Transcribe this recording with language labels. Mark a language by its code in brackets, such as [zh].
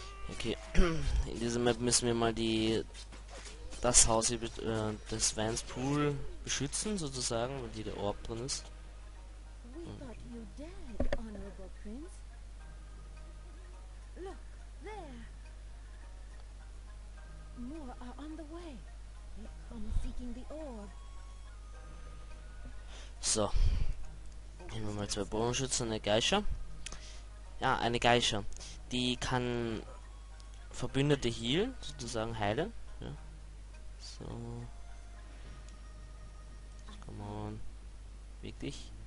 [de] Okay, in dieser Map müssen wir mal das Haus hier, das Swan's Pool beschützen, sozusagen, weil hier der Orb drin ist. [en] We thought you dead, honorable prince. Look, there. More are on the way. They come seeking the orb. [de] So, nehmen wir mal zwei Bogenschützen und eine Geisha. Ja, eine Geisha. Die kann Verbündete heilen, sozusagen heilen. Ja. So. [en] Come on. Wirklich.